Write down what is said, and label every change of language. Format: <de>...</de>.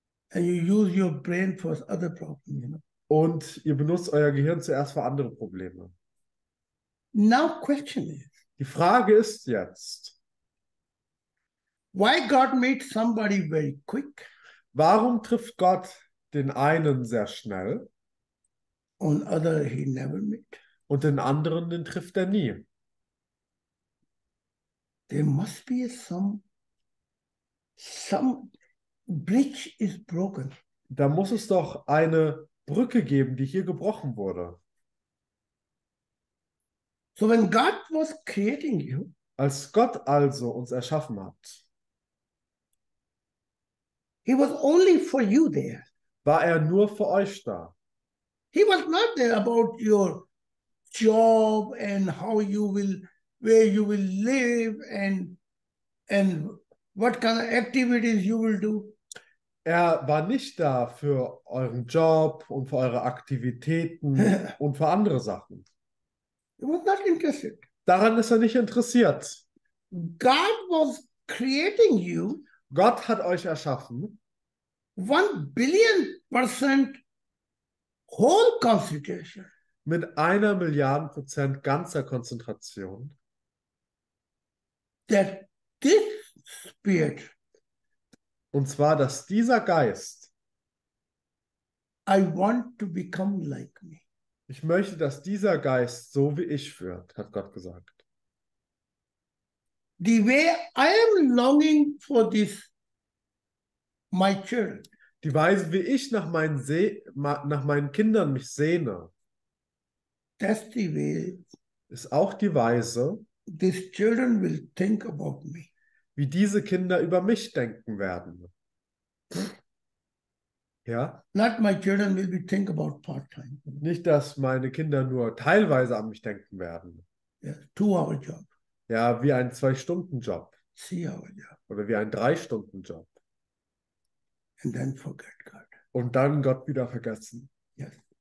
<en>And you use your brain for other problems, you know?</en> <de>Und ihr benutzt euer Gehirn zuerst für andere Probleme.</de> <en>Now question is,</en> <de>die Frage ist jetzt,</de> <en>why God meet somebody very quick?</en> <de>Warum trifft Gott den einen sehr schnell?</de> <en>And other he never meet.</en> <de>Und den anderen, den trifft er nie.</de> <en>There must be some bridge is broken.</en> <de>Da muss es doch eine Brücke geben, die hier gebrochen wurde.</de> <en>So when God was creating you,</en> <de>als Gott also uns erschaffen hat,</de> <en>he was only for you there.</en> <de>War er nur für euch da?</de> <en>He was not there about your job and how you will, where you will live and what kind of activities you will do.</en> <de>Er war nicht da für euren Job und für eure Aktivitäten und für andere Sachen.</de> <en>He was not interested.</en> <de>Daran ist er nicht interessiert.</de> <en>God was creating you.</en> <de>Gott hat euch erschaffen.</de> <en>1 billion percent whole concentration.</en> <de>Mit 1 Milliarden Prozent ganzer Konzentration.</de> <en>That this spirit.</en> <de>Und zwar, dass dieser Geist.</de> <en>I want to become like me.</en> <de>Ich möchte, dass dieser Geist so wie ich wird, hat Gott gesagt.</de> <en>The way I am longing for this, my children.</en> <de>Die Weise, wie ich nach meinen Kindern mich sehne,</de> <en>that's the way,</en> <de>ist auch die Weise,</de> <en>these children will think about me.</en> <de>Wie diese Kinder über mich denken werden. Ja?</de> <en>Not my children will be think about part-time.</en> <de>Nicht, dass meine Kinder nur teilweise an mich denken werden.</de> <en>Yeah, 2-hour job.</en> <de>Ja, wie ein 2-Stunden-Job.</de> <en>3-hour job.</en> <de>Oder wie ein 3-Stunden-Job.</de> <en>And then forget God.</en> <de>Und dann Gott wieder vergessen.</de> <en>Yes.</en>